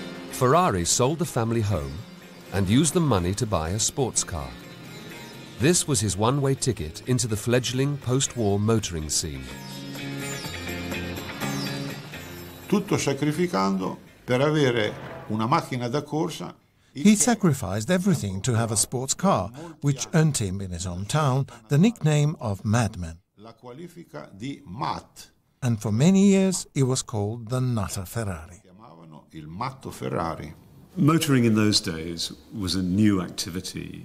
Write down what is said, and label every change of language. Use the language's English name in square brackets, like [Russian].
[English] Ferrari sold the family home and used the money to buy a sports car. This was his one-way ticket into the fledgling post-war motoring scene. [Italian] Tutto sacrificando per avere una macchina da corsa. [English] He sacrificed everything to have a sports car, which earned him in his hometown the nickname of Madman. [Italian] La qualifica di Matt. [English] And for many years he was called the Nutter Ferrari. [Italian] Chiamavano il Matto Ferrari. [English] Motoring in those days was a new activity.